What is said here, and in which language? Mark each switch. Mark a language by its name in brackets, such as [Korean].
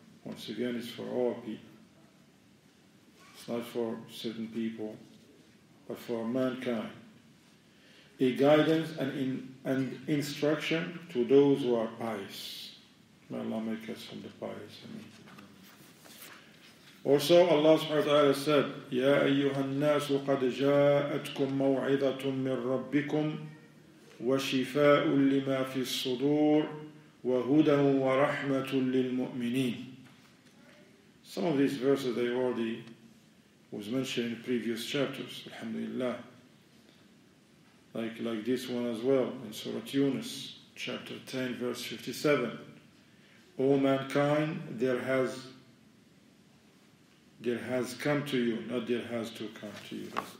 [English] Once again, it's for all people. It's not for certain people, but for mankind. A guidance and instruction to those who are pious. May Allah make us from the pious. Amen. Also, Allah subhanahu wa ta'ala said, [Arabic] يَا أَيُّهَا النَّاسُ قَدْ جَاءَتْكُمْ مَوْعِظَةٌ مِّنْ رَبِّكُمْ وَشِفَاءٌ لِمَا فِي الصُّدُورِ وَهُدًى وَرَحْمَةٌ لِلْمُؤْمِنِينَ. [English] Some of these verses they already was mentioned in previous chapters, alhamdulillah. Like this one as well, in Surah Yunus, chapter 10, verse 57. O mankind, there has come to you, not there has to come to you.